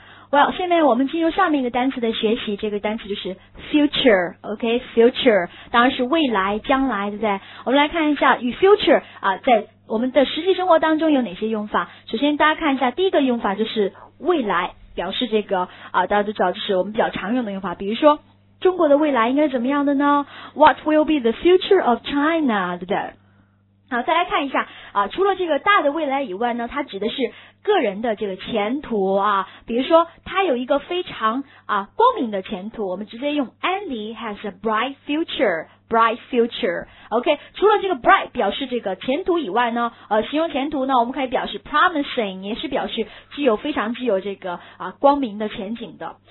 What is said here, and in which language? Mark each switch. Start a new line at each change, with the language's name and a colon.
Chinese: Well, 下面我们进入下面一个单词的学习，这个单词就是 future, OK, future, 当然是未来，将来，对不对？我们来看一下与 future, 啊，在我们的实际生活当中有哪些用法。首先大家看一下第一个用法就是未来，表示这个啊，大家都知道就是我们比较常用的用法，比如说中国的未来应该怎么样的呢？
English: What will be the future of China,
Chinese: 对不对？好，再来看一下啊，除了这个大的未来以外呢，它指的是个人的这个前途啊，比如说他有一个非常啊光明的前途，我们直接用
English: Andy has a bright future,
Chinese: bright future. OK, 除了这个 bright 表示这个前途以外呢，形容前途呢，我们可以表示 promising, 也是表示具有非常具有这个啊光明的前景的。